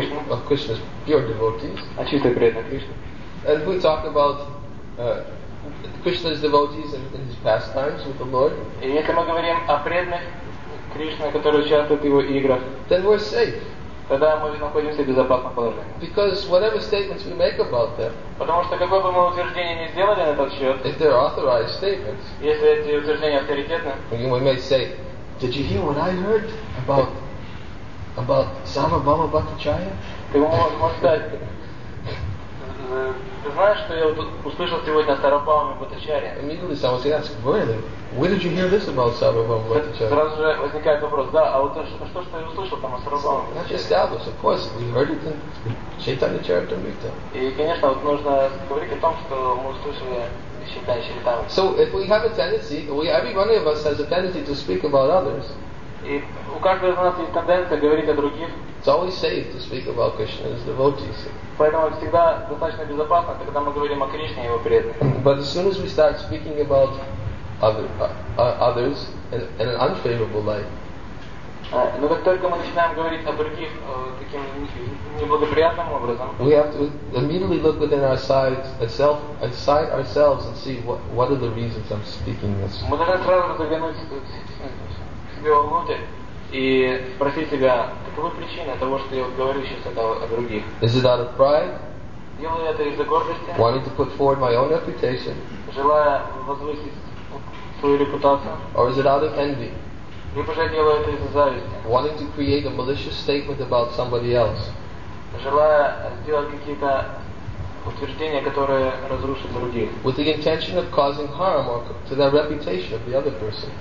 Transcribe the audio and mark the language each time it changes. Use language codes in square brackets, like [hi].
[en] Of Krishna's pure devotees. And if we talk about Krishna's devotees in his pastimes with the Lord, then we're safe. [ru] Тогда мы находимся в безопасном положении. [en] Because whatever statements we make about them, [ru] потому что какое бы мы утверждение ни сделали на этот счет, [en] if they're authorized statements, [ru] если эти утверждения авторитетны, [en] we may say, did you hear what I heard about Sarvabhauma Bhattacharya? [ru] Ты можешь сказать, ты знаешь, что я услышал сегодня о Сарвабхауме Бхаттачарье? [en] Immediately someone would ask, really? Where did you hear this about Sarvabhauma Bhattacharya? [ru] Сразу же возникает вопрос, да, а вот что я услышал там о Сарвабхауме [en] Бхаттачарье? That's established, of course. We heard it in Chaitanya Charitamrita. [ru] И, конечно, вот нужно говорить о том, что мы услышали Chaitanya Charitamrita. [en] So if we have a tendency, every one of us has a tendency to speak about others. [ru] И у каждого из нас есть тенденция говорить о других. [en] It's always safe to speak about Krishna's devotees. [ru] Поэтому всегда достаточно безопасно, когда мы говорим о Кришне и его преданных. [en] But as soon as we start speaking about others in an unfavorable light. [ru] Но как только мы начинаем говорить о других таким неблагоприятным образом, [en] we have to immediately look within ourselves itself inside ourselves and see what are the reasons I'm speaking this. [ru] Мы должны сразу заглянуть себе внутрь и спросить себя, каковы причины того, что я говорю сейчас о других. [en] Is it out of pride? [ru] Делаю это из-за гордости. [en] Wanting to put forward my own reputation. [ru] Желая возвысить свою репутацию. [en] Or is it out of envy? [ru] Либо же я делаю это из-за зависти. [en] Wanting to create a malicious statement about somebody else. [ru] Желая сделать какие-то утверждения, которые разрушат других. [en] With the intention of causing harm to the reputation of the other person.